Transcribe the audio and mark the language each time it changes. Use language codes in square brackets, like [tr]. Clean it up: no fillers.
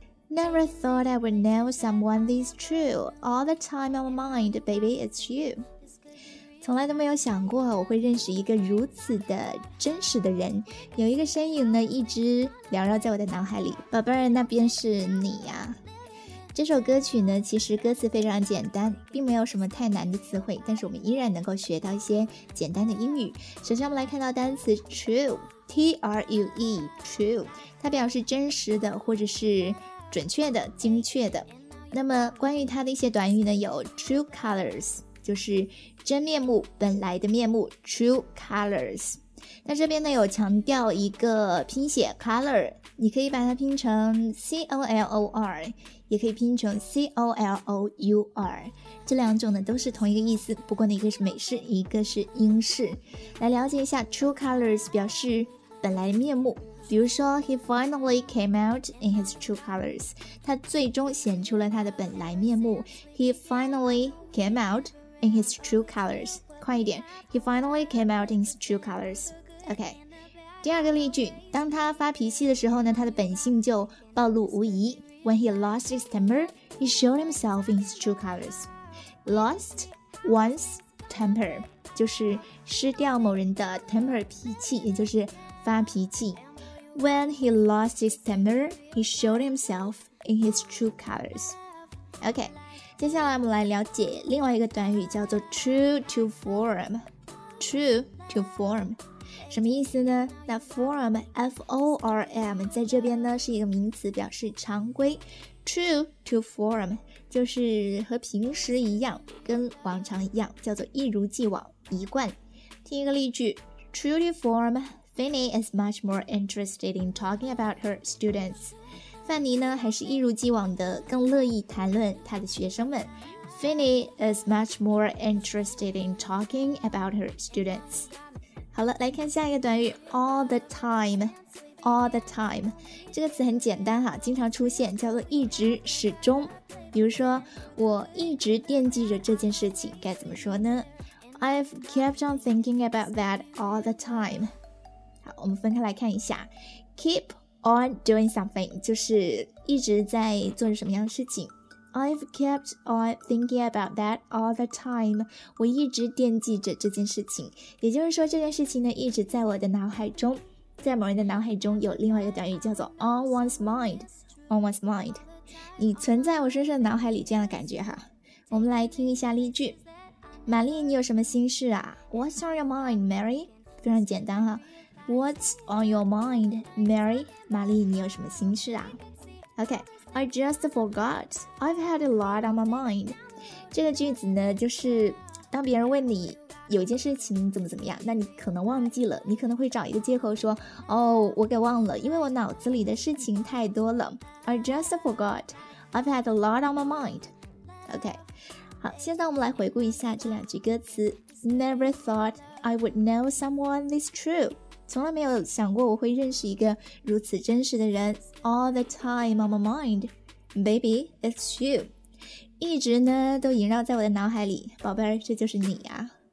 [en] Never thought I would know someone this true. All the time on my mind, baby, it's you. [zh] 从来都没有想过我会认识一个如此的真实的人，有一个身影呢一直缭绕在我的脑海里，宝贝儿，那边是你呀。这首歌曲呢，其实歌词非常简单，并没有什么太难的词汇，但是我们依然能够学到一些简单的英语。首先我们来看到单词 true, true， 它表示真实的或者是准确的、精确的。那么关于它的一些短语呢，有 true colors，就是真面目，本来的面目， true colors。那这边呢有强调一个拼写 color， 你可以把它拼成 C-O-L-O-R， 也可以拼成 C-O-L-O-U-R， 这两种呢都是同一个意思，不过呢一个是美式，一个是英式。来了解一下 true colors 表示本来的面目，比如说 [en] He finally came out in his true colors， [zh] 他最终显出了他的本来面目。 [en] He finally came out in his true colors， [zh] 快一点。 [en] He finally came out in his true colors. OK. [zh] 第二个例句，当他发脾气的时候呢，他的本性就暴露无遗。 [en] When he lost his temper, he showed himself in his true colors. Lost one's temper [zh] 就是失掉某人的 temper 脾气，也就是发脾气。 [en] When he lost his temper, he showed himself in his true colors. [zh] OK, 接下来我们来了解另外一个短语，叫做 true to form. True to form 什么意思呢？那 form, F-O-R-M 在这边呢是一个名词，表示常规。 True to form 就是和平时一样，跟往常一样，叫做一如既往，一贯。听一个例句， [en] True to formFanny is much more interested in talking about her students. [zh] Fanny 呢还是一如既往的更乐意谈论她的学生们。 [en] Fanny is much more interested in talking about her students. [zh] 好了，来看下一个短语 all the time. All the time 这个词很简单哈，经常出现，叫做一直始终。比如说，我一直惦记着这件事情，该怎么说呢？ [en] I've kept on thinking about that all the time. [zh] 好，我们分开来看一下 [en] Keep on doing something [zh] 就是一直在做着什么样的事情。 [en] I've kept on thinking about that all the time， [zh] 我一直惦记着这件事情，也就是说这件事情呢一直在我的脑海中。在某人的脑海中有另外一个短语叫做 [en] on one's mind， [zh] on one's mind 你存在我深深的脑海里，这样的感觉哈。我们来听一下例句，玛丽你有什么心事啊？ [en] What's on your mind Mary？ [zh] 非常简单哈， [en] What's on your mind, Mary? [zh] 玛丽，你有什么心事啊？ [en] OK, I just forgot. I've had a lot on my mind. [zh] 这个句子呢，就是当别人问你有件事情怎么怎么样，那你可能忘记了，你可能会找一个借口说，哦，我给忘了，因为我脑子里的事情太多了。 [en] I just forgot. I've had a lot on my mind. [zh] OK, 好，现在我们来回顾一下这两句歌词。 [en] Never thought I would know someone this true. [zh] 从来没有想过我会认识一个如此真实的人。 [en] All the time on my mind Baby, it's you [zh] 一直呢都萦绕在我的脑海里，宝贝儿，这就是你啊。